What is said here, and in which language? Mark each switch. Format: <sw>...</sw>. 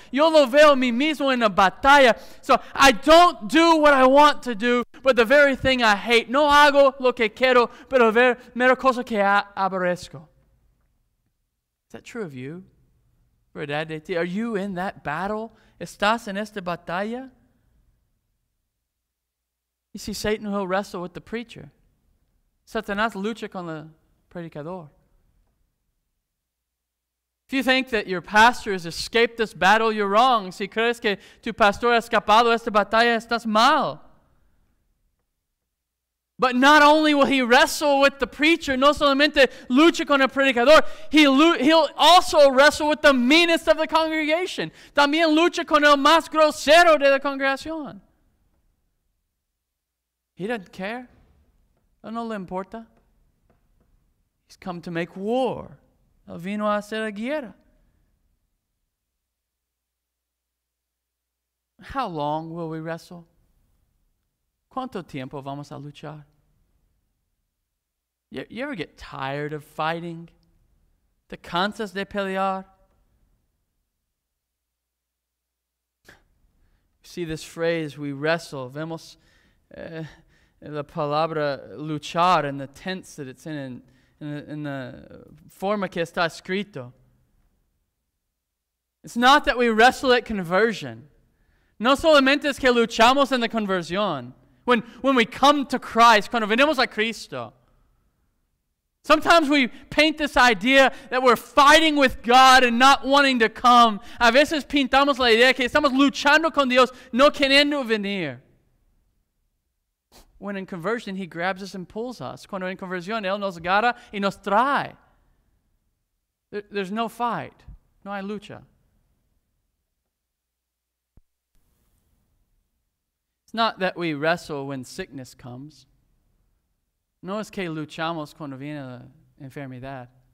<es>Yo lo veo a mí mismo en la batalla.</es> <en>So I don't do what I want to do, but the very thing I hate.</en> <es>No hago lo que quiero, pero ver mera cosa que aborrezco.</es> <en>Is that true of you?</en> <es>¿Verdad de ti?</es> <en>Are you in that battle?</en> <es>¿Estás en esta batalla?</es> <en>You see, Satan will wrestle with the preacher.</en> <es>Satanás lucha con el predicador.</es> <en>If you think that your pastor has escaped this battle, you're wrong.</en> <es>Si crees que tu pastor ha escapado esta batalla, estás mal.</es> <en>But not only will he wrestle with the preacher,</en> <es>no solamente lucha con el predicador,</es> <en>he'll also wrestle with the meanest of the congregation.</en> <es>También lucha con el más grosero de la congregación.</es> <en>He doesn't care.</en> <es>No le importa.</es> <en>He's come to make war.</en> <es>Él vino a hacer la guerra.</es> <en>How long will we wrestle?</en> <es>¿Cuánto tiempo vamos a luchar?</es> <en>You ever get tired of fighting?</en> <es>¿Te cansas de pelear?</es> <en>See this phrase, we wrestle.</en> <es>Vemos la palabra luchar</es> <en>in the tense that it's in the</en> <es>forma que está escrito.</es> <en>It's not that we wrestle at conversion.</en> <es>No solamente es que luchamos en la conversión.</es> <en>When we come to Christ,</en> <es>cuando venimos a Cristo.</es> <en>Sometimes we paint this idea that we're fighting with God and not wanting to come.</en> <es>A veces pintamos la idea que estamos luchando con Dios, no queriendo venir.</es> <en>When in conversion, he grabs us and pulls us.</en> <es>Cuando en conversión, él nos agarra y nos trae.</es> <en>There's no fight.</en> <es>No hay lucha.</es> <en>It's not that we wrestle when sickness comes.</en> <es>No es que luchamos cuando viene la enfermedad.</es>